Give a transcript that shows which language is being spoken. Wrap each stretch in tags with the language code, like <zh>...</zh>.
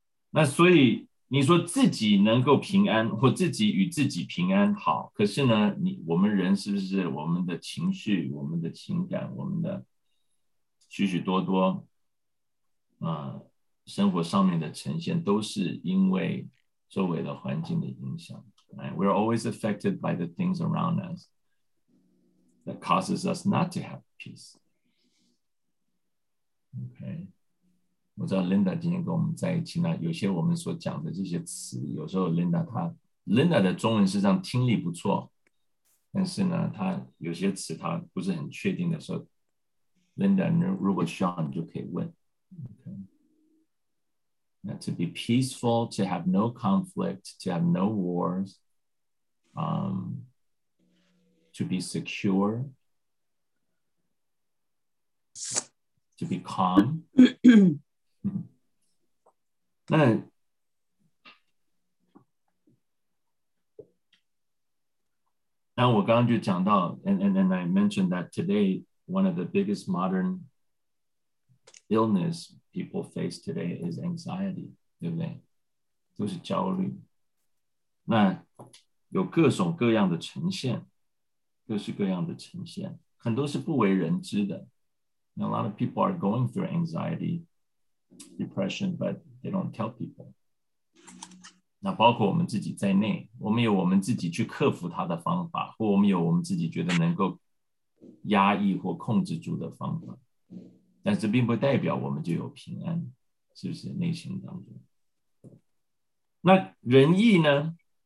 <zh>那所以你说自己能够平安，或自己与自己平安好，可是呢，我们人是不是我们的情绪、我们的情感、我们的许许多多，生活上面的呈现，都是因为周围的环境的影响。</zh> <en>Right? We're always affected by the things around us that causes us not to have peace. Okay.</en> <zh>我知道 Linda 今天跟我们在一起呢，有些我们所讲的这些词，有时候 Linda 的中文实际上听力不错，但是呢，她有些词她不是很确定的时候 ，Linda 如果需要你就可以问。</zh> <en>Okay. Now, to be peaceful, to have no conflict, to have no wars, to be secure, to be calm.</en> <zh>那我刚刚就讲到</zh> <en>and I mentioned that today one of the biggest modern illness people face today is anxiety,</en> <zh>对不对？都是焦虑。那有各种各样的呈现，各式各样的呈现，很多是不为人知的。</zh> <en>And a lot of people are going through anxiety, depression, but they don't tell people.</en> <zh>那包括我们自己在内，我们有我们自己去克服它的方法，或我们有我们自己觉得能够压抑或控制住的方法，但是并不代表我们就有平安，是不是？内心当中。那仁义呢？</zh>